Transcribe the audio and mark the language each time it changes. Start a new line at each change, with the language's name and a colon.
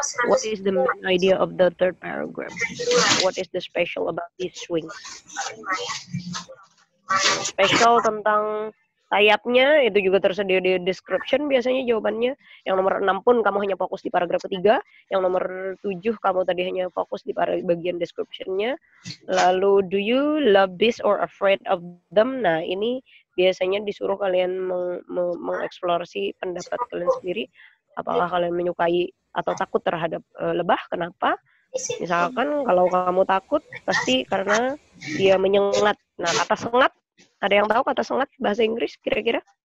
English: What is the main idea of the third paragraph? What is the special about this swing?
Indonesian: Special tentang sayapnya itu juga tersedia di description biasanya jawabannya. Yang nomor 6 pun kamu hanya fokus di paragraf ketiga. Yang nomor 7 kamu tadi hanya fokus di bagian description-nya.
English: Lalu, do you love bees or afraid of them?
Indonesian: Nah, ini biasanya disuruh kalian mengeksplorasi pendapat kalian sendiri. Apakah kalian menyukai atau takut terhadap lebah? Kenapa? Misalkan kalau kamu takut, pasti karena dia menyengat. Nah, kata sengat. Ada yang tahu kata sengat bahasa Inggris kira-kira?